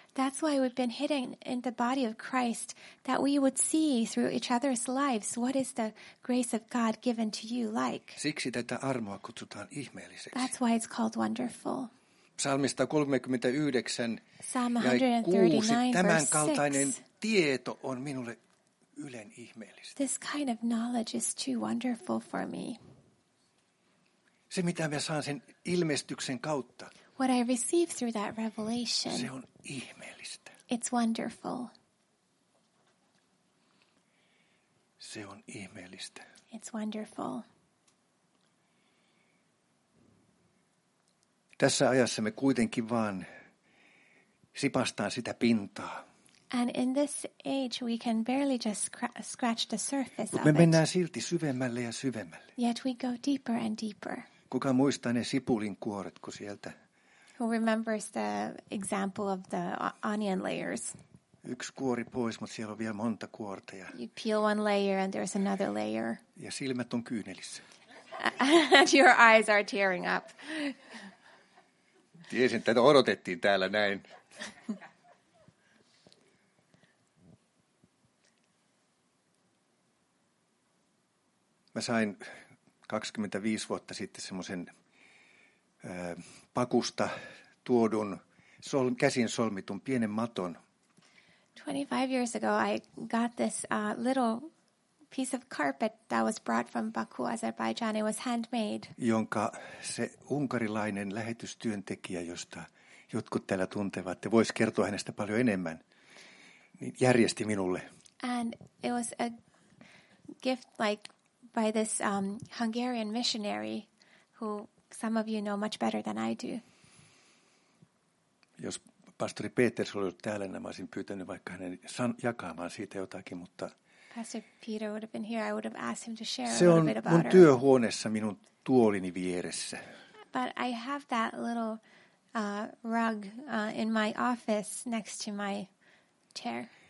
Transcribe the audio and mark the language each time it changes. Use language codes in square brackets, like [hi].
[en] That's why we've been hidden in the body of Christ, that we would see through each other's lives what is the grace of God given to you like. [fi] Siksi tätä armoa kutsutaan ihmeelliseksi. [en] That's why it's called wonderful. [fi] Psalmista 39 ja 6. Tämän kaltainen tieto on minulle ylen ihmeellistä. [en] This kind of knowledge is too wonderful for me. [fi] Se mitä mä saan sen ilmestyksen kautta. [en] What I receive through that revelation. [fi] Se on ihmeellistä. [en] It's wonderful. [fi] Se on ihmeellistä. [en] It's wonderful. [fi] Tässä ajassa me kuitenkin vaan sipastaan sitä pintaa. [en] And in this age we can barely just scratch the surface of it. [fi] Me mennään silti syvemmälle ja syvemmälle. [en] Yet we go deeper and deeper. [fi] Kuka muistaa ne sipulin kuoret, kun sieltä? [en] Who remembers the example of the onion layers? [fi] Yksi kuori pois, mutta siellä on vielä monta kuorta. Ja [en] you peel one layer and there's another layer. [fi] Ja silmät on kyynelissä. [en] And your eyes are tearing up. [fi] Tiesin, että odotettiin täällä näin. Mä sain 25 vuotta sitten semmoisen pakusta tuodun käsin solmitun pienen maton. [en] 25 years ago I got this little piece of carpet that was brought from Baku, Azerbaijan. It was handmade. [fi] Jonka se unkarilainen lähetystyöntekijä, josta jotkut täällä tuntevat, te vois kertoa hänestä paljon enemmän, niin järjesti minulle. [en] And it was a gift like by this Hungarian missionary who some of you know much better than I do. [fi] Jos pastori Peters olisi täällä, niin mä olisin pyytänyt vaikka hänen jakamaan siitä jotakin, mutta [en] Pastor Peter would have been here. I would have asked him to share a little bit about her. [fi] mun työhuoneessa minun tuolini vieressä. [en] But I have that little rug in my office next to my chair.